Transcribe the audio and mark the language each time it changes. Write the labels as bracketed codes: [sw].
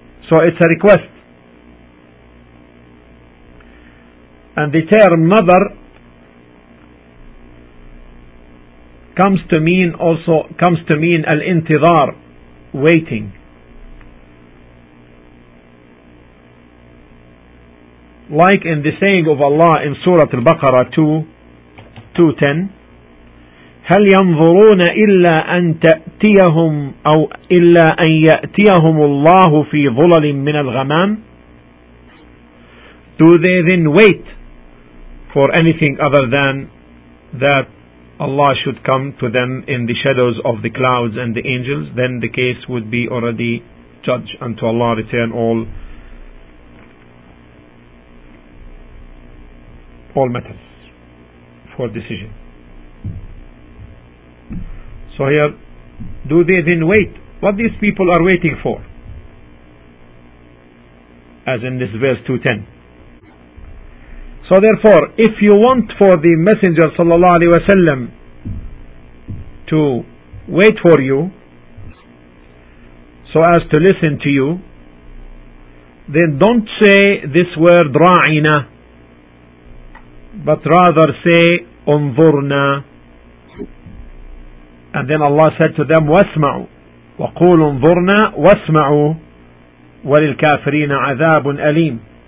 [en] So it's a request. And the term nadhar comes to mean al-intidhar, waiting. Like in the saying of Allah in Surah Al-Baqarah 2:10, [ar] هَلْ يَنْظُرُونَ إِلَّا أَنْ تَأْتِيَهُمْ أَوْ إِلَّا أَنْ يَأْتِيَهُمُ اللَّهُ فِي ظُلَلٍ مِّنَ الْغَمَامِ. [en] Do they then wait for anything other than that Allah should come to them in the shadows of the clouds and the angels? Then the case would be already judged, and to Allah return all matters for decision. So here, do they then wait? What these people are waiting for? As in this verse 2:10. So therefore, if you want for the Messenger sallallahu alaihi wasallam to wait for you, so as to listen to you, then don't say this word ra'ina, but rather say unzurna. And then Allah said to them, [ar] وَاسْمَعُوا وَقُولُوا انظُرْنَا وَاسْمَعُوا وَلِلْكَافِرِينَ عَذَابٌ أَلِيمٌ.